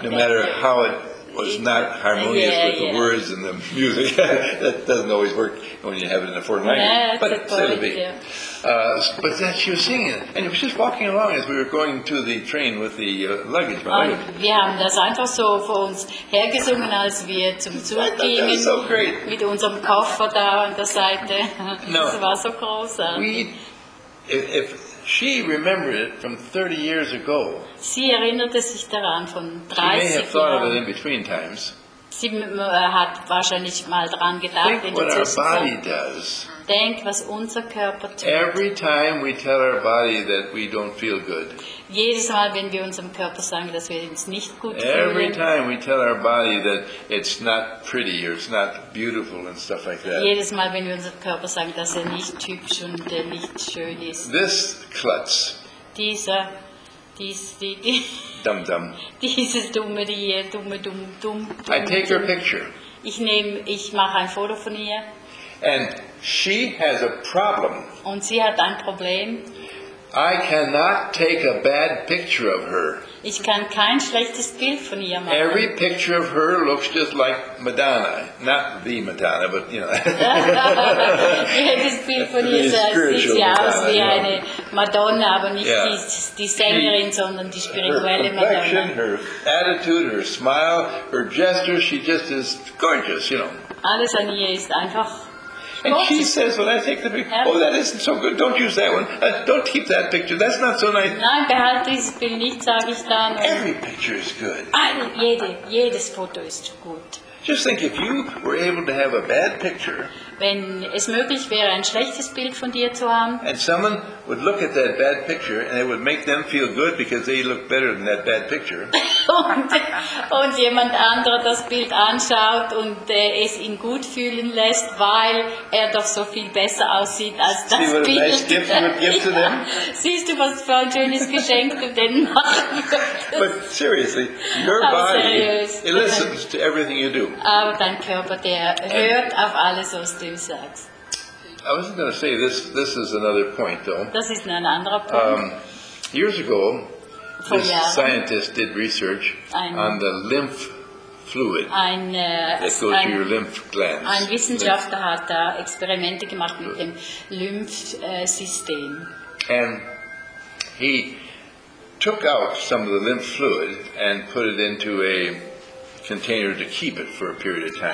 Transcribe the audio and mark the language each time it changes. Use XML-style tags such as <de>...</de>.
<en>No matter how it was not harmonious with the words and the music, that doesn't always work when you have it in a foreign language. Yeah, but it's going to be. But then she was singing, and she was just walking along as we were going to the train with the luggage.</en> <de>Wir haben das einfach so vor uns hergesungen, als wir zum Zug gingen,</de> <en>so great.</en> <de>Mit unserem Koffer da an der Seite.</de> <en>No,</en> <de>das war so großartig.</de> <en>If she remembered it from 30 years ago,</en> <de>sie erinnerte sich daran von 30 Jahren.</de> <en>She may have thought of it in between times.</en> <de>Sie hat wahrscheinlich mal dran gedacht,</de> <en>think what our body does.</en> <de>Denk, was unser Körper tut.</de> <en>Every time we tell our body that we don't feel good.</en> <de>Jedes Mal, wenn wir unserem Körper sagen, dass wir uns nicht gut fühlen.</de> <en>Every time we tell our body that it's not pretty or it's not beautiful and stuff like that.</en> <de>Jedes Mal, wenn wir unserem Körper sagen, dass er nicht typisch und nicht schön ist.</de> <en>This klutz.</en> <de>Dieses dumme hier, dumme.</de> <en>I take her picture.</en> <de>Ich mache ein Foto von ihr.</de> <en>And she has a problem.</en> <de>Und sie hat ein Problem.</de> <en>I cannot take a bad picture of her.</en> <de>Ich kann kein schlechtes Bild von ihr machen.</de> <en>Every picture of her looks just like Madonna. Not the Madonna, but you know.</en> <de>Jedes Bild von ihr sieht sie aus wie eine Madonna, aber nicht die Sängerin, sondern die spirituelle Madonna.</de> <en>Her complexion, her attitude, her smile, her gesture, she just is gorgeous, you know.</en> <de>Alles an ihr ist einfach.</de> <en>And she says, when I take the picture, oh, that isn't so good, don't use that one. Don't keep that picture, that's not so nice.</en> <de>Nein, behalte dieses Bild nicht, sage ich dann.</de> <en>Every picture is good.</en> <de>Jedes Foto ist gut.</de> <en>Just think, if you were able to have a bad picture,</en> <de>wenn es möglich wäre, ein schlechtes Bild von dir zu haben,</de> <en>and someone would look at that bad picture, and it would make them feel good because they look better than that bad picture.</en> <de>und jemand anderer das Bild anschaut und es ihn gut fühlen lässt, weil er doch so viel besser aussieht als das Bild.</de> <en>See what a nice gift you would give to them?</en> <de>Siehst du, was für ein schönes Geschenk du denen machen würdest?</de> <en>But seriously, your body, it listens to everything you do.</en> <de>Aber dein Körper, der hört auf alles, was du sagst.</de> <en>I wasn't going to say this is another point, though.</en> <de>Das ist ein anderer Punkt.</de> <en>Years ago, this scientist did research on the lymph fluid that goes to your lymph glands.</en> <de>Ein Wissenschaftler hat da Experimente gemacht mit dem Lymphsystem.</de> <en>And he took out some of the lymph fluid and put it into a container to keep it for a period of time.</en>